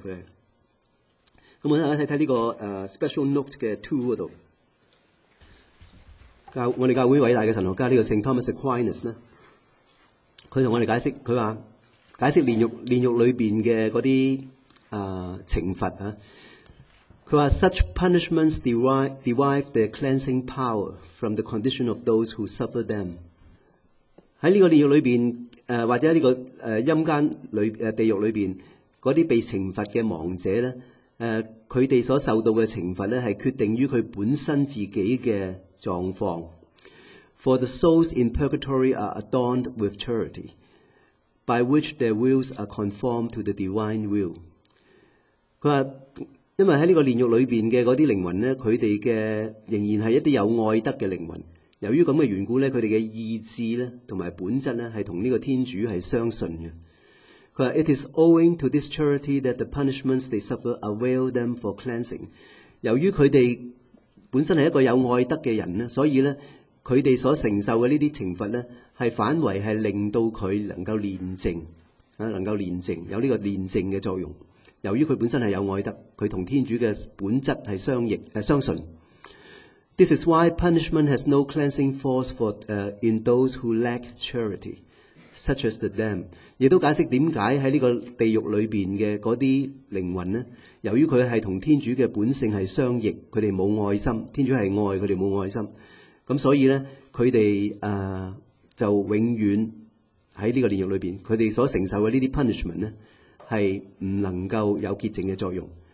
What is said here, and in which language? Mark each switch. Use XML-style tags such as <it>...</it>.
<zh>他是我们看看这个Special Note 的 2 那里，我们教会伟大的神学家这个圣 Thomas Aquinas 呢，他跟我们解释，他说解释炼狱里面的那些惩罚，他说</zh> <en>Such punishments derive the cleansing power from the condition of those who suffer them。</en> <zh>在这个炼狱里面或者在这个阴间地狱里面，那些被惩罚的亡者呢他们所受到的惩罚呢是决定于他本身自己的状况。</zh> <en>For the souls in purgatory are adorned with charity, by which their wills are conformed to the divine will。</en> <zh>他说因为在这个炼狱里面的那些灵魂呢，他们的仍然是一些有爱德的灵魂。由于这样的缘故，他们的意志和本质是跟这个天主是相信的。他说</zh> <en>It is owing to this charity that the punishments they suffer avail them for cleansing。</en> <zh>由于他们本身是一个有爱德的人，所以他们所承受的这些惩罚是反为是令到他能够炼净，能够炼净，有这个炼净的作用。由于他本身是有爱德，他跟天主的本质是相信。</zh> <en>This is why punishment has no cleansing force for in those who lack charity, such as the damned。</en> <zh>也都解释为什么在这个地狱里面的那些灵魂呢，由于他是跟天主的本性是相逆，他们没有爱心，天主是爱，他们没有爱心，所以呢他们就永远在这个炼狱里面，他们所承受的这些 punishment 呢是不能够有洁净的作用。</zh>